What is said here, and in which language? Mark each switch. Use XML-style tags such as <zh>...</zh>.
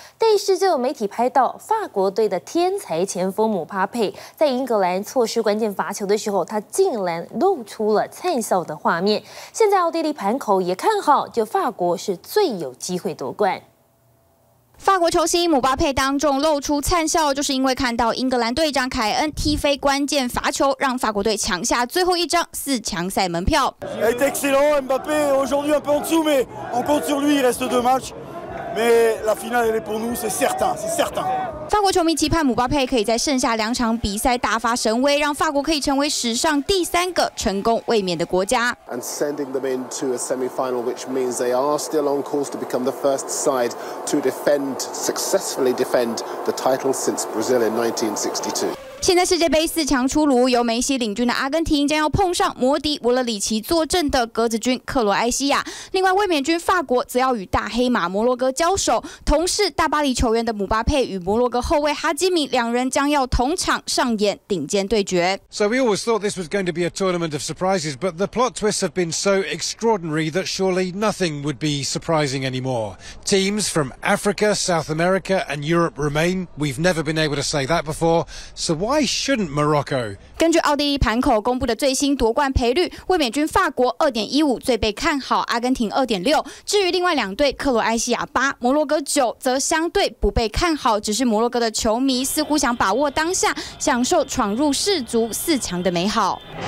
<zh>但是就有媒体拍到法国队的天才前锋姆巴佩在英格兰错失关键罚球的时候，他竟然露出了灿笑的画面。现在奥地利盘口也看好，就法国是最有机会夺冠。法国球星姆巴佩当众露出灿笑，就是因为看到英格兰队长凯恩踢飞关键罚球，让法国队抢下最后一张四强赛门票。</zh> <fr>Est excellent, Mbappé aujourd'hui un peu en dessous, mais on compte sur lui, il reste deux matchs. Mais la finale elle est pour nous, c'est certain, c'est certain.</fr> <zh>法国球迷期盼姆巴佩可以在剩下两场比赛大发神威，让法国可以成为史上第三个成功卫冕的国家。</zh> <en>And sending them into a semi-final, which means they are still on course to become the first side to successfully defend the title since Brazil in 1962.</en> <zh>现在世界杯四强出炉，由梅西领军的阿根廷将要碰上摩迪乌勒里奇坐镇的鸽子军克罗埃西亚，另外卫冕军法国则要与大黑马摩洛哥交手，同是大巴黎球员的姆巴佩与摩洛哥后卫哈基米两人将要同场上演顶尖对决。</zh> <en>So we always thought this was going to be a tournament of surprises, but the plot twists have been so extraordinary that surely nothing would be surprising anymore. Teams from Africa, South America and Europe remain. We've never been able to say that before. So why shouldn't Morocco?</en> <zh>根据奥地利盘口公布的最新夺冠赔率，卫冕军法国2.15最被看好，阿根廷2.6。至于另外两队，克罗埃西亚8，摩洛哥9，则相对不被看好。只是摩洛哥的球迷似乎想把握当下，享受闯入世足四强的美好。</zh>